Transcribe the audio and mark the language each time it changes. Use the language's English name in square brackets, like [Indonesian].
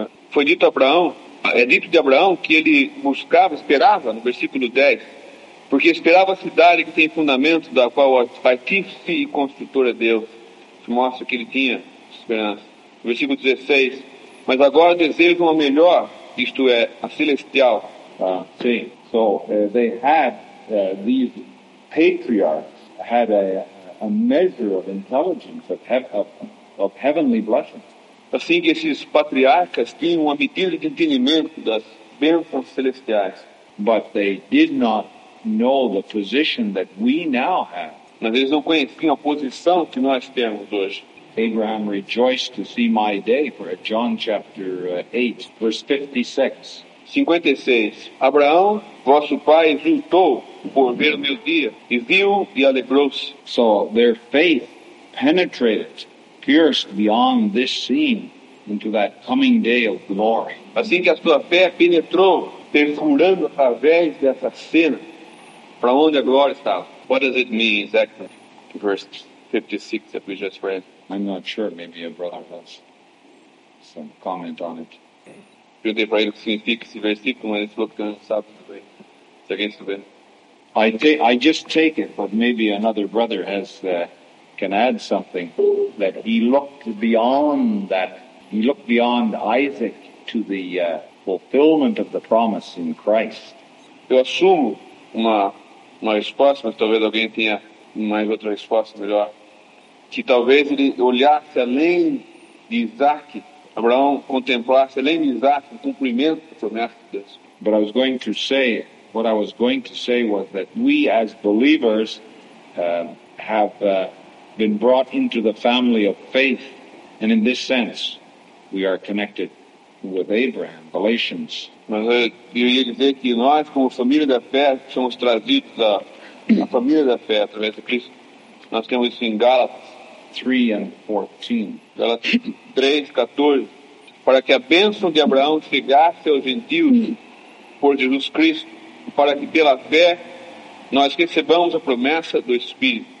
[Portuguese] Foi dito a Abraão, é dito de Abraão que ele buscava, esperava, no versículo 10, porque esperava a cidade que tem fundamento, da qual o artífice e construtor é Deus. Isso mostra que ele tinha esperança. Versículo 16, mas agora deseja uma melhor, isto é, a celestial. Sim. [English] So they had these patriarchs had a measure of intelligence of heavenly blessings. [Portuguese] Assim que esses patriarcas tinham uma medida de entendimento das bênçãos celestiais. [English] But they did not know the position that we now have. [Portuguese] Mas eles não conheciam a posição que nós temos hoje. [English] Abraham rejoiced to see my day, for at John chapter 8, verse 56. [Portuguese] 56. Abraão, vosso pai, exultou por ver o meu dia, e viu e alegrou-se. [English] So their faith penetrated, pierced beyond this scene into that coming day of glory. [Portuguese] Assim que a sua fé penetrou, perfurando através dessa cena, para onde a glória estava. [English] What does it mean exactly? Verse 56 that we just read. I'm not sure. Maybe your brother has some comment on it. [Portuguese] Perguntei para ele o que significa esse versículo, mas ele falou que não sabe muito bem. Se alguém souber. [English] I just take it, but maybe another brother has can add something, that he looked beyond Isaac to the fulfillment of the promise in Christ. [Portuguese] Eu assumo uma resposta, mas talvez alguém tenha mais outra resposta melhor. Que talvez ele olhasse além de Isaac Abraão contemplasse, além de Isaac, o cumprimento da promessa de Deus. [English] But I was going to say, what I was going to say was that we as believers have been brought into the family of faith, and in this sense, we are connected with Abraham, Galatians. [Portuguese] Mas eu ia dizer que nós, como família da fé, somos trazidos à família da fé através de Cristo. Nós temos isso em Gálatas 3:14. Para que a bênção de Abraão chegasse aos gentios por Jesus Cristo, para que pela fé nós recebamos a promessa do Espírito.